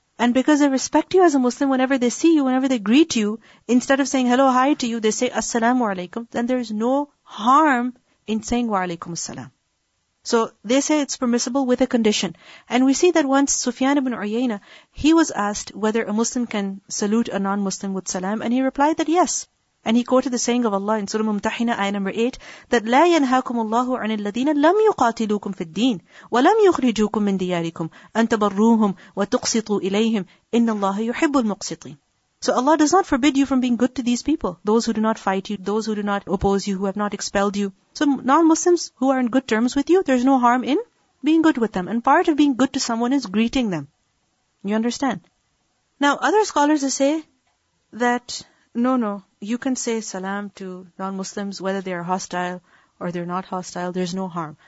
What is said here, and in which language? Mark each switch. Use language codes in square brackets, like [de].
[en] And because they respect you as a Muslim, whenever they see you, whenever they greet you, instead of saying hello, hi to you, they say assalamu alaykum, then there is no harm in saying wa alaykum as-salam. So they say it's permissible with a condition. And we see that once Sufyan ibn Uyayna, he was asked whether a Muslim can salute a non-Muslim with salam, and he replied that yes. And he quoted the saying of Allah in Surah Mumtahina, ayah number 8, that [ar] لا ينهاكم الله عن الذين لم يقاتلوكم في الدين ولم يخرجوكم من دياركم أن تبروهم وتقسطوا إليهم إن الله يحب المقسطين. [en] So Allah does not forbid you from being good to these people, those who do not fight you, those who do not oppose you, who have not expelled you. So non-Muslims who are in good terms with you, there's no harm in being good with them. And part of being good to someone is greeting them. You understand? Now other scholars say that, no, you can say salam to non-Muslims, whether they are hostile or they're not hostile, there's no harm.